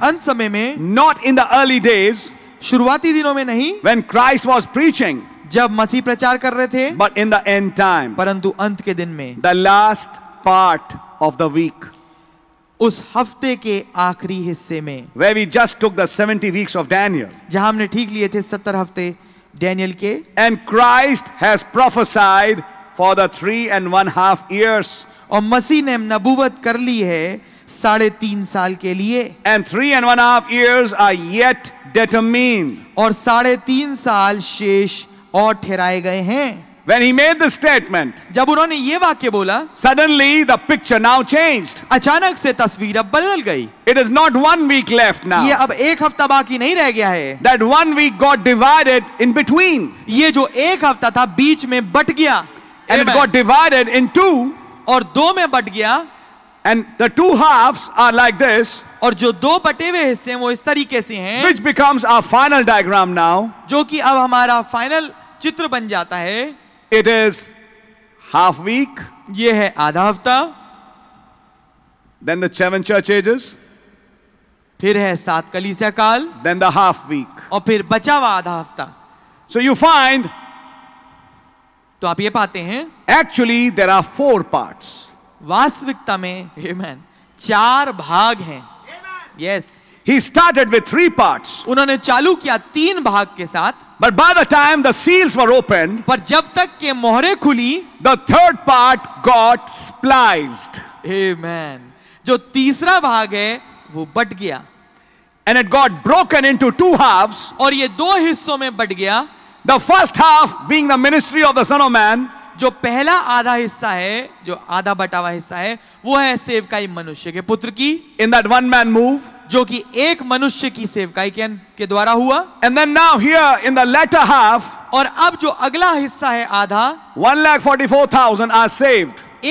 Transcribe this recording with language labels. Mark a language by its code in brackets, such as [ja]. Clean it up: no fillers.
[hi] अंत समय में [en] not in the early days [hi] शुरुआती दिनों में नहीं [en] when Christ was preaching [hi] जब मसीह प्रचार कर रहे थे [en] but in the end time [hi] परंतु अंत के दिन में [en] the last part of the week [hi] उस हफ्ते के आखिरी हिस्से में [en] where we just took the 70 weeks of Daniel, [hi] जहां हमने ठीक लिए थे 70 हफ्ते डैनियल के [en] and Christ has prophesied for the 3.5 years, [hi] और मसीह ने नबूवत कर ली है 3.5 साल के लिए [en] and 3.5 years are yet determined, [hi] और 3.5 साल शेष और ठहराए गए हैं [en] When he made the statement, [hi] जब उन्होंने ये वाक्य बोला, [en] suddenly the picture now changed. [hi] अचानक से तस्वीर अब बदल गई. [en] It is not 1 week left now. [hi] ये अब एक हफ्ता बाकी नहीं रह गया है. [en] That 1 week got divided in between. [hi] ये जो एक हफ्ता था बीच में बट गया. [en] And it got divided in two. [hi] और दो में बट गया. [en] And the two halves are like this. [hi] और जो दो बटे हुए हिस्से वो इस तरीके से हैं. [en] Which becomes our final diagram now. [hi] जो कि अब हमारा final चित्र बन जाता है. [en] It is half week. [hi] ये है आधा हफ्ता. [en] Then the seven church ages. [hi] फिर है सात कलीसिया काल. [en] Then the half week. [hi] और फिर बचा हुआ आधा हफ्ता. [en] So you find. [hi] तो आप ये पाते हैं. [en] Actually, there are 4 parts. [hi] वास्तविकता में, amen. 4 भाग हैं. Amen. [en] Yes. He started with 3 parts. [hi] उन्होंने चालू किया 3 भाग के साथ. [en] But by the time the seals were opened, [hi] पर जब तक के मोहरे खुली, [en] the 3rd part got spliced. [hi] Amen. जो तीसरा भाग है, वो बट गया. [en] And it got broken into 2 halves. [hi] और ये 2 हिस्सों में बट गया. [en] The 1st half being the ministry of the Son of Man. [hi] जो पहला आधा हिस्सा है, जो आधा बटा हुआ हिस्सा है, वो है सेवकाई मनुष्य के पुत्र की. [en] In that 1-man move. [hi] जो कि एक मनुष्य की सेवकाई के द्वारा हुआ [en] and then now here in the latter half [hi] और अब जो अगला हिस्सा है आधा [en] 1,44,000 are saved